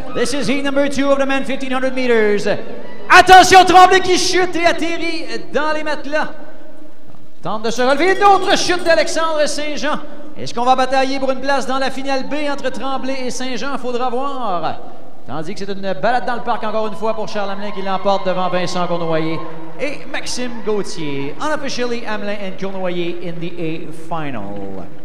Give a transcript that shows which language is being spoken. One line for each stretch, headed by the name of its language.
English: This is heat number 2 of the men 1500 meters.
French: Attention, Tremblay qui chute et atterrit dans les matelas. Tente de se relever, une autre chute d'Alexandre Saint-Jean. Est-ce qu'on va batailler pour une place dans la finale B entre Tremblay et Saint-Jean? Faudra voir. Tandis que c'est une balade dans le parc encore une fois pour Charles Hamelin qui l'emporte devant Vincent Cournoyer et Maxime Gauthier.
English: Unofficially, Hamelin and Cournoyer in the A final.